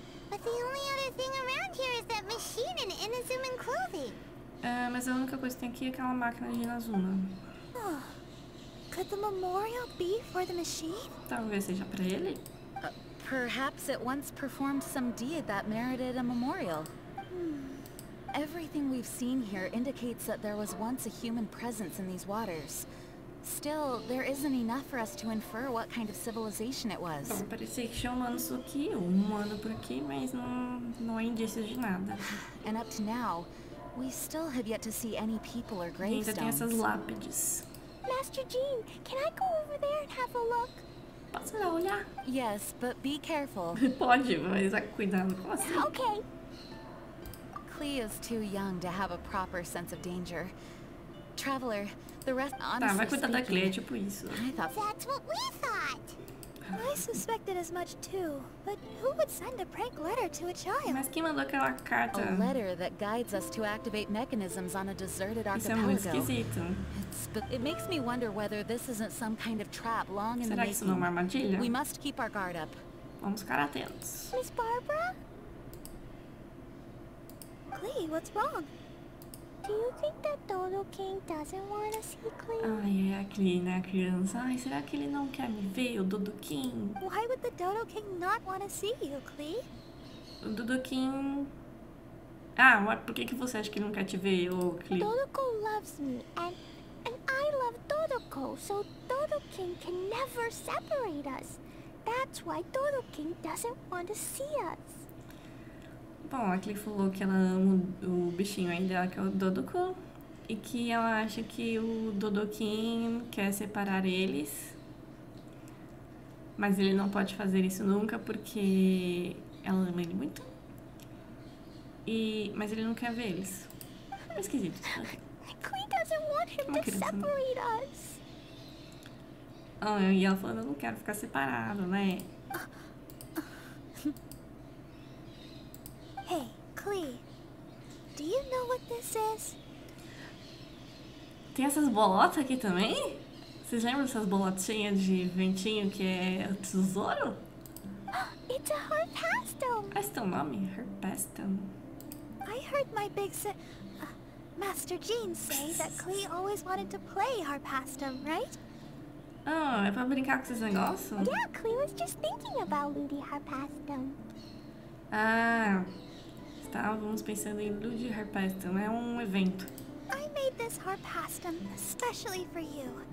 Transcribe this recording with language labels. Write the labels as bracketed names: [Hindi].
[English] But the only other thing around here is that machine in Inazuma clothing. [Portuguese] Mas a única coisa que tem aqui é aquela máquina de Inazuma. [English] Oh, could the memorial be for the machine? [Portuguese] Talvez seja para ele. [English] Perhaps it once performed some deed that merited a memorial. Everything we've seen here indicates that there was once a human presence in these waters. Still, there isn't enough for us to infer what kind of civilization it was. [Portuguese] Parece que tinha humanos aqui, humano por aqui, mas não é indício de nada. [English] And up to now, we still have yet to see any people or gravestones. [Portuguese] Ainda tem essas lápides. [English] Master Jean, can I go over there and have a look? [Portuguese] Posso dar uma olhada? [English] Yes, but be careful. [Portuguese] Pode, mas cuidado com você. [English] Okay. Clea is too young to have a proper sense of danger. Traveler, the rest, honestly [Portuguese] tá, vai cuidar [English] speaking, [Portuguese] da Clea, tipo isso. [English] That's what we thought. I suspected as much too, but who would send a prank letter to a child? [Portuguese] Mas quem mandou aquela carta? [English] A letter that guides us to activate mechanisms on a deserted archipelago. [Portuguese] Isso é muito esquisito. [English] It makes me wonder whether this isn't some kind of trap long in the [Portuguese] Será que isso não é uma armadilha? [English] We must keep our guard up. [Portuguese] Vamos ficar atentos. [English] Miss Barbara? Clea, what's wrong? Do you think that Dodo King doesn't want to see Clea? [Portuguese] Ai, é a Clea, né, criança? Ai, será que ele não quer me ver, o Dodo King? [English] Why would the Dodo King not want to see you, Clea? [Portuguese] O Dodo King... Ah, por que você acha que ele não quer te ver, o Clea? [English] Dodoko loves me, and I love Dodoko, so Dodo King can never separate us. That's why Dodo King doesn't want to see us. [Portuguese] Bom, a Clea falou que ela ama o bichinho aí dela, que é o Dodoku. E que ela acha que o Dodokin quer separar eles. Mas ele não pode fazer isso nunca, porque ela ama ele muito. E, mas ele não quer ver eles. É esquisito. Clea não quer que ele nos separe. Ah, e ela falou, eu não quero ficar separado, né? [English] Hey, Clea, do you know what this is? [Portuguese] Tem essas bolotas aqui também? Vocês lembram dessas bolotinhas de ventinho que é o tesouro? [English] It's a Harpastum! [Portuguese] Ah, esse é o nome? Harpastum. [English] I heard my big si- Master Jean say that Clea always wanted to play Harpastum, right? [Portuguese] Ah, é pra brincar com esses negócios? [English] Yeah, Clea was just thinking about Ludi Harpastum. Ah... [Portuguese] Estávamos pensando em Ludi Harpastum, é um evento. [English] I made this Harpastum especially for you.